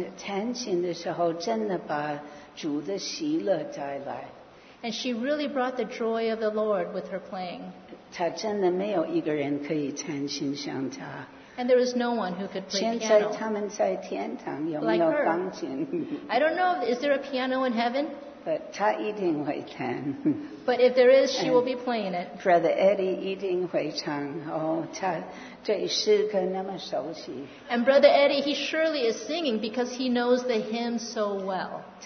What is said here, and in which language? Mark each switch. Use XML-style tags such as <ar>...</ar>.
<zh>弹琴的时候真的把主的喜乐带来。</zh> <en>And she really brought the joy of the Lord with her playing.</en> <zh>她真的没有一个人可以弹琴像她。</zh> <en>And there was no one who could play piano.</en> <zh>现在他们在天堂有没有钢琴?</zh> <en>Like her. I don't know, is there a piano in heaven?</en> <zh>But 她一定会弹。</zh> <en>But if there is, she will be playing it.</en> <zh>Brother Eddie 一定会唱。 Oh, 她对诗歌那么熟悉。</zh> <en>And Brother Eddie, he surely is singing because he knows the hymn so well.</en>